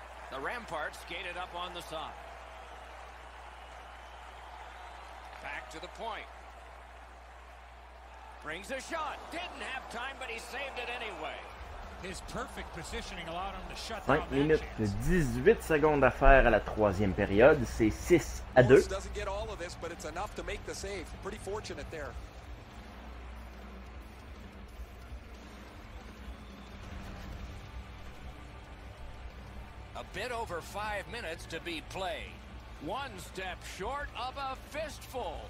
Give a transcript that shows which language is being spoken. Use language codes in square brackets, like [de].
[en] The Ramparts skated up on the side. Back to the point. Brings a shot. Didn't have time, but he saved it anyway. His perfect positioning allowed him to shut down. 5 [fr] minutes 18 secondes à faire à la troisième période. C'est 6 à 2. [en] Morse doesn't get all of this, but it's enough to make the save. Pretty fortunate there. A bit over 5 minutes to be played. One step short of a fistful.